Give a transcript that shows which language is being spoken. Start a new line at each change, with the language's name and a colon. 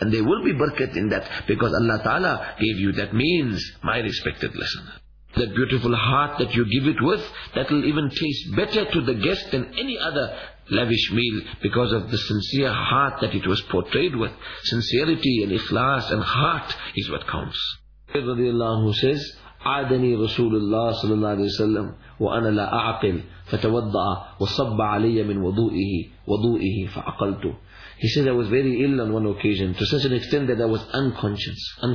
English: And there will be barakat in that, because Allah Ta'ala gave you that means, my respected listener. That beautiful heart that you give it with, that will even taste better to the guest than any other lavish meal, because of the sincere heart that it was portrayed with. Sincerity and ikhlas and heart is what counts. Radiallahu says,
Arabic: عادني رسول الله صلى الله عليه وسلم وأنا لا أعقل فتوضأ وصب علي من وضوئه فعقلته.
English: He said, I was very ill on one occasion to such an extent that I was unconscious.